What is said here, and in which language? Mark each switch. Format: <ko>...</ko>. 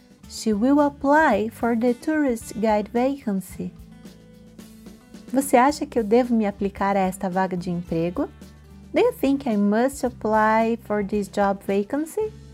<en>She will apply for the tourist guide vacancy.</en> <pt>Você acha que eu devo me aplicar a esta vaga de emprego?</pt> <en>Do you think I must apply for this job vacancy?</en>